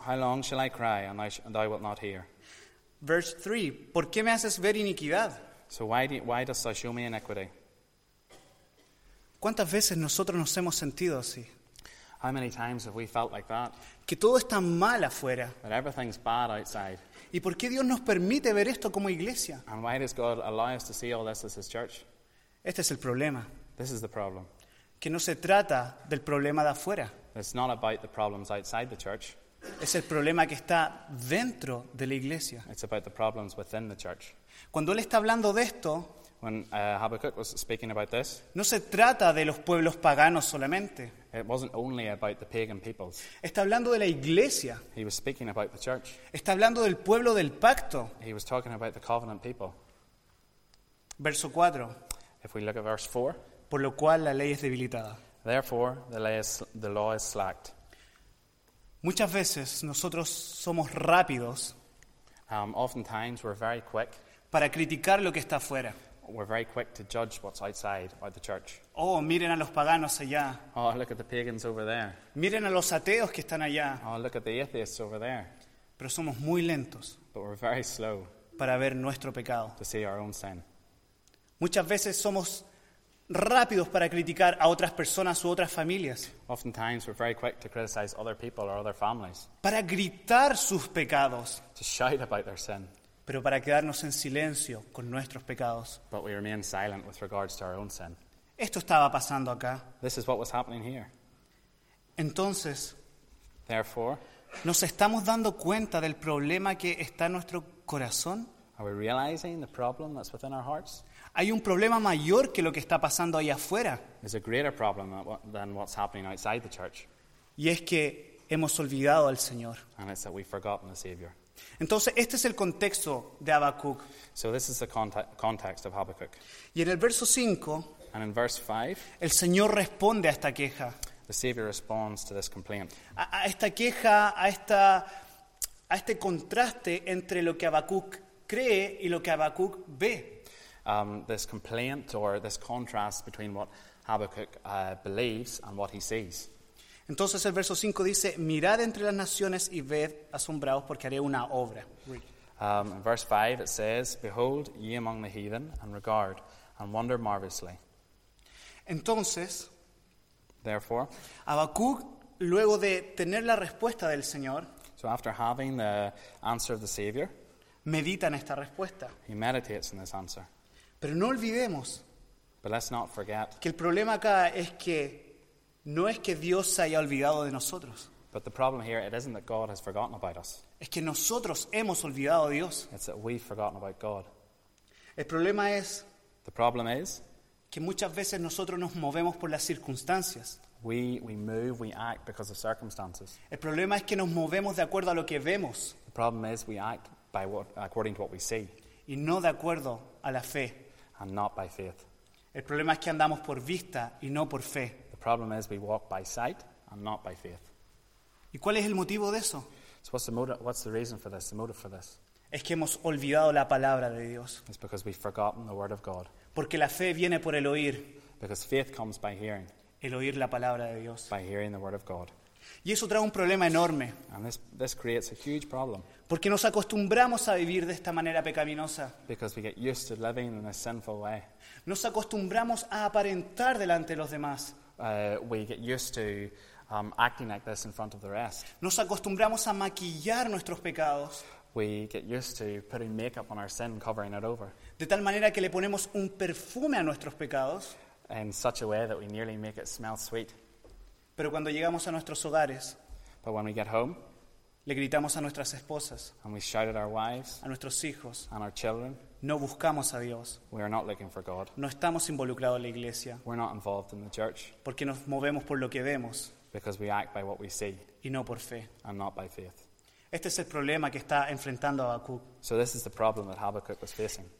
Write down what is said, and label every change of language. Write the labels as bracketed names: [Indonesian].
[English] How long shall I cry and thou wilt not hear? Verse 3. [Spanish] ¿Por qué me haces ver iniquidad? [English] So why dost thou show me iniquity? [Spanish] ¿Cuántas veces nosotros nos hemos sentido así? [English] How many times have we felt like that? [Spanish] Que todo está mal afuera. [English] But everything's bad outside. [Spanish] ¿Y por qué Dios nos permite ver esto como iglesia? [English] And why does God allow us to see all this as his church? [Spanish] Este es el problema. [English] This is the problem. [Spanish] Que no se trata del problema de afuera. [English] It's not about the problems outside the church. [Spanish] Es el problema que está dentro de la iglesia. [English] It's about the problems within the church. [Spanish] Cuando él está hablando de esto, [English] when Habakkuk was speaking about this, [Spanish] no se trata de los pueblos paganos solamente. [English] It wasn't only about the pagan peoples. [Spanish] Está hablando de la iglesia. [English] He was speaking about the church. [Spanish] Está hablando del pueblo del pacto. [English] He was talking about the covenant people. [Spanish] Verso 4. [English] If we look at verse 4. [Spanish] Por lo cual la ley es debilitada. [English] Therefore, the law is slacked. [Spanish] Muchas veces nosotros somos rápidos. [English] Oftentimes we're very quick. [Spanish] Para criticar lo que está afuera. [English] We're very quick to judge what's outside, about the church. [Spanish] Oh, miren a los paganos allá. [English] Oh, look at the pagans over there. [Spanish] Miren a los ateos que están allá. [English] Oh, look at the atheists over there. [Spanish] Pero somos muy lentos. [English] But we're very slow. [Spanish] Para ver nuestro pecado. [English] To see our own sin. [Spanish] Muchas veces somos rápidos para criticar a otras personas u otras familias. [English] Oftentimes we're very quick to criticize other people or other families. [Spanish] Para gritar sus pecados. [English] To shout about their sin. [Spanish] Pero para quedarnos en silencio con nuestros pecados. [English] But we remain silent with regards to our own sin. [Spanish] Esto estaba pasando acá. [English] This is what was happening here. [Spanish] Entonces, [English] therefore, [Spanish] ¿nos estamos dando cuenta del problema que está en nuestro corazón? [English] Are we realizing the problem that's within our hearts? [Spanish] Hay un problema mayor que lo que está pasando ahí afuera. [English] There's a greater problem than what's happening outside the church. [Spanish] Y es que hemos olvidado al Señor. [English] And it's that we've forgotten the Savior. [Spanish] Entonces, este es el contexto de Habacuc. [English] So this is the context of Habakkuk. [Spanish] Y en el verso 5, [English] and in verse 5, [Spanish] el Señor responde a esta queja. [English] The Savior responds to this complaint. [Spanish] A esta queja, a este contraste entre lo que Habacuc cree y lo que Habacuc ve. [English] This complaint or this contrast between what Habakkuk believes and what he sees. [Spanish] Entonces el verso 5 dice, mirad entre las naciones y ved asombrados porque haré una obra. [English] In verse 5 it says, behold, ye among the heathen, and regard, and wonder marvelously. [Spanish] Entonces, [English] therefore, [Spanish] Habacuc, luego de tener la respuesta del Señor, [English] so after having the answer of the Savior, [Spanish] medita en esta respuesta. [English] He meditates on this answer. [Spanish] Pero no olvidemos, [English] but let's not forget, [Spanish] que el problema acá es que no es que Dios se haya olvidado de nosotros. [English] But the problem here, it isn't that God has forgotten about us. [Spanish] Es que nosotros hemos olvidado a Dios. [English] It's that we've forgotten about God. [Spanish] El problema es, [English] the problem is, [Spanish] que muchas veces nosotros nos movemos por las circunstancias. [English] We move, we act because of circumstances. [Spanish] El problema es que nos movemos de acuerdo a lo que vemos. [English] The problem is we act by what, according to what we see. [Spanish] Y no de acuerdo a la fe. [English] And not by faith. [Spanish] El problema es que andamos por vista y no por fe. [English] The problem is we walk by sight and not by faith. [Spanish] ¿Y cuál es el motivo de eso? [English] So what's the reason for this? The motive for this? [Spanish] Es que hemos olvidado la palabra de Dios. [English] It's because we've forgotten the word of God. [Spanish] Porque la fe viene por el oír. [English] Because faith comes by hearing. [Spanish] El oír la palabra de Dios. [English] By hearing the word of God. [Spanish] Y eso trae un problema enorme. [English] And this creates a huge problem. [Spanish] Porque nos acostumbramos a vivir de esta manera pecaminosa. [English] Because we get used to living in a sinful way. [Spanish] Nos acostumbramos a aparentar delante de los demás. [English] We get used to acting like this in front of the rest. [Spanish] Nos acostumbramos a maquillar nuestros pecados. [English] We get used to putting makeup on our sin, covering it over. [Spanish] De tal manera que le ponemos un perfume a nuestros pecados. [English] In such a way that we nearly make it smell sweet. [Spanish] Pero cuando llegamos a nuestros hogares, [English] but when we get home, [Spanish] le gritamos a nuestras esposas, [English] and we shout at our wives, [Spanish] a nuestros hijos, [English] and our children, [Spanish] no buscamos a Dios. [English] We are not looking for God. [Spanish] No estamos involucrados en la iglesia. [English] We're not involved in the church. [Spanish] Porque nos movemos por lo que vemos. [English] Because we act by what we see. [Spanish] Y no por fe. [English] And not by faith. [Spanish] Este es el problema que está enfrentando Habacuc. [English] So this is the problem that Habakkuk was facing.